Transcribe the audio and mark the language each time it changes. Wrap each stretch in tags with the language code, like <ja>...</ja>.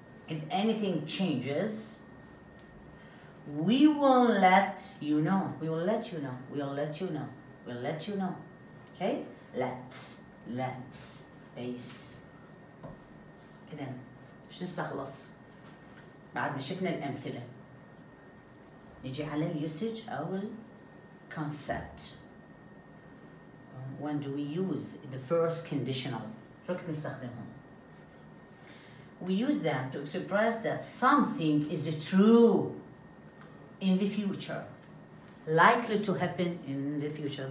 <en>If anything changes, we will let you know. Okay? Let. Base.</en> <ar>إذن شو نستخلص بعد ما شفنا الأمثلة نجي على الـ usage أو الـ concept.</ar> <en>When do we use the first conditional?</en> <ar>شو كنت نستخدمهم؟</ar> <en>We use them to express that something is true in the future, likely to happen in the future.</en>